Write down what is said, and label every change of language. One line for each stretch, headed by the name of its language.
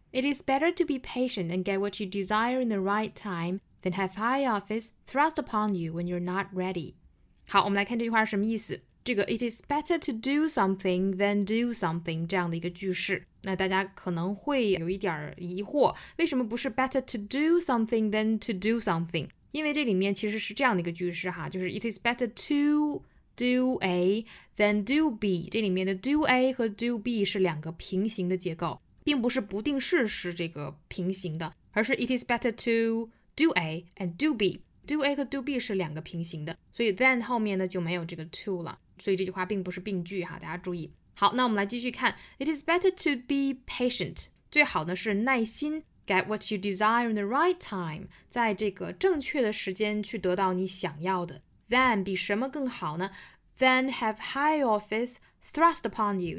English: It is better to be patient and get what you desire in the right time,Then have high office thrust upon you when you're not ready.
Chinese: 好，我们来看这句话是什么意思。这个
English: it is better to do something
Chinese: than do something 这样的一个句式。那大家可能会有一点疑惑，为什么不是
English: better to do something
Chinese: than to do something? 因为这里面其实是这样的一个句式哈，就是
English: it is better to do A than do B.
Chinese: 这里面的 do A 和 do B 是两个平行的结构，并不是不定式是这个平行的，而是
English: it is better to... Do A and do B.
Chinese: Do A 和 do B 是两个平行的，所以 then 后面呢就没有这个 to 了。所以这句话并不是病句哈，大家注意。好，那我们来继续看。
English: It is better to be patient.
Chinese: 最好呢是耐心
English: get what you desire in the right time.
Chinese: 在这个正确的时间去得到你想要的。
English: Than
Chinese: 比什么更好呢
English: ？Than have high office thrust upon you.